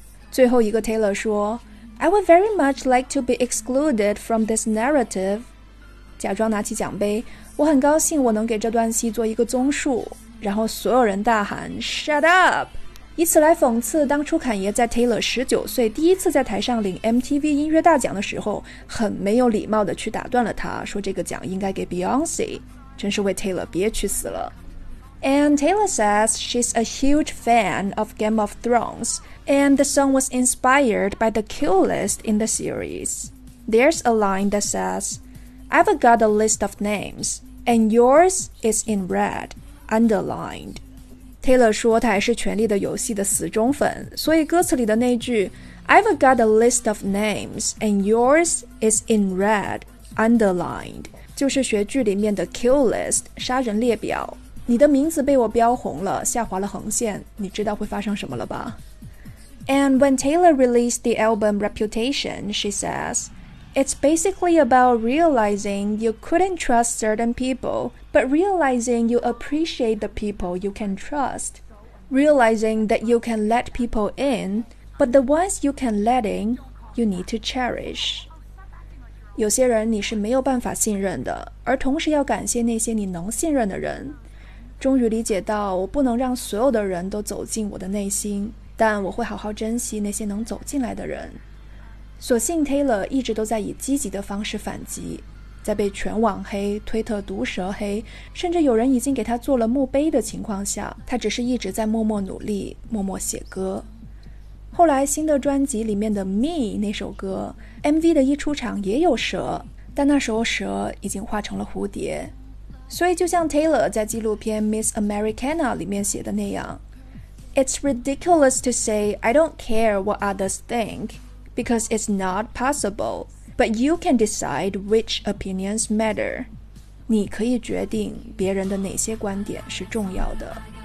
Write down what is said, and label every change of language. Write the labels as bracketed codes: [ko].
[zh] 最后一个 Taylor 说 [en] I would very much like to be excluded from this narrative. [zh] 假装拿起奖杯，我很高兴我能给这段戏做一个综述。然后所有人大喊 [en] Shut up! [zh] 以此来讽刺当初坎爷在 Taylor 19岁第一次在台上领 MTV 音乐大奖的时候，很没有礼貌地去打断了他，说这个奖应该给 Beyonce。真是为 Taylor 憋屈死了。 [en] And Taylor says she's a huge fan of Game of Thrones, and the song was inspired by the kill list in the series. There's a line that says, I've got a list of names, and yours is in red, underlined. [zh] Taylor 说她还是权力的游戏的死忠粉，所以歌词里的那句 [en] I've got a list of names, and yours is in red, underlined, [zh] 就是学剧里面的 kill list, 杀人列表。你的名字被我标红了，下滑了横线，你知道会发生什么了吧？ [en] And when Taylor released the album Reputation, she says, It's basically about realizing you couldn't trust certain people, but realizing you appreciate the people you can trust. Realizing that you can let people in, but the ones you can let in, you need to cherish. [zh] 有些人你是没有办法信任的，而同时要感谢那些你能信任的人。终于理解到我不能让所有的人都走进我的内心，但我会好好珍惜那些能走进来的人。所幸 Taylor 一直都在以积极的方式反击，在被全网黑、推特毒舌黑，甚至有人已经给他做了墓碑的情况下，他只是一直在默默努力，默默写歌。后来新的专辑里面的 Me 那首歌 MV 的一出场也有蛇，但那时候蛇已经化成了蝴蝶。所以就像 Taylor 在纪录片 Miss Americana 里面写的那样， [en] It's ridiculous to say I don't care what others think because it's not possible, but you can decide which opinions matter. [zh] 你可以决定别人的哪些观点是重要的。